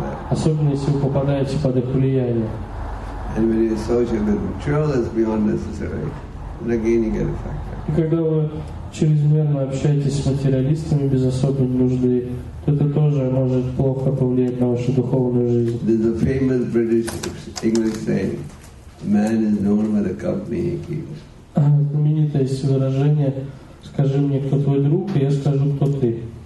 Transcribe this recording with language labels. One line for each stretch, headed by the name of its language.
Russian: Особенно если вы попадаете под их влияние.
English: And when you associate with material that's beyond necessary, then again you get affected.
Russian: И когда вы чрезмерно общаетесь с материалистами без особой нужды, то это тоже может плохо повлиять на вашу духовную жизнь.
English: There's a famous British English saying. Man is known by the company he keeps.
Russian: Знаменитое есть выражение: скажи мне, кто твой друг, и я скажу, кто ты.